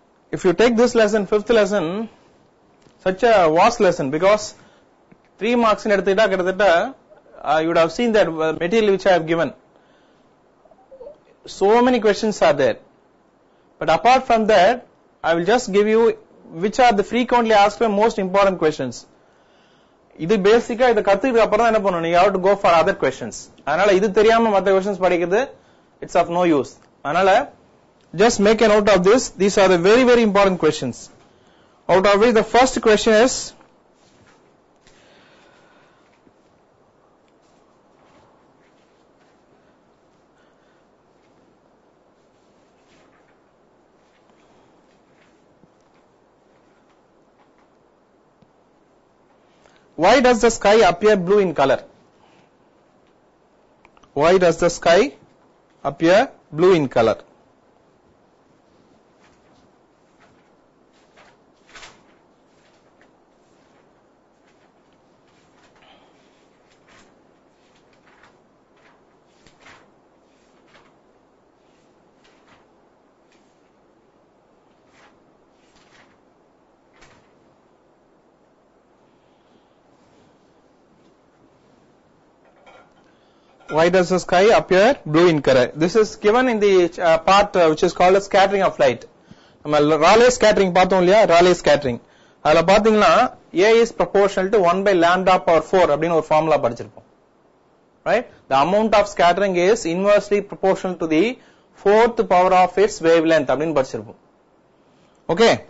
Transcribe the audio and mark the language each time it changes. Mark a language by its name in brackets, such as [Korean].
[English] If you take this lesson, fifth lesson, such a vast lesson because 3 marks in eduthita you would have seen that material which I have given. So many questions are there. But apart from that, I will just give you which are the frequently asked for most important questions. [Tamil] இது பேசிக்கா இதை கத்துக்கிட்டு அப்புறம் என்ன பண்ணணும் [English] you have to go for other questions [Tamil] அதனால இது தெரியாம மற்ற க்வெஸ்சன்ஸ் படிக்கிறது [English] it's of no use [Tamil] அதனால [English] Just make a note of this these are the very very important questions out of the first question is Why does the sky appear blue in color? Why does the sky appear blue in color? Why does the sky appear blue in color? This is given in the part which is called a scattering of light. Raleigh scattering, Raleigh scattering. [Tamil] அதுல பாத்தீங்கன்னா [English] A is proportional to 1 by lambda power 4 [Tamil] அப்படின்னு ஒரு formula படிச்சிருப்போம் [English] right the amount of scattering is inversely proportional to the fourth power of its wavelength [Tamil] அப்படின்னு படிச்சிருப்போம் [English] okay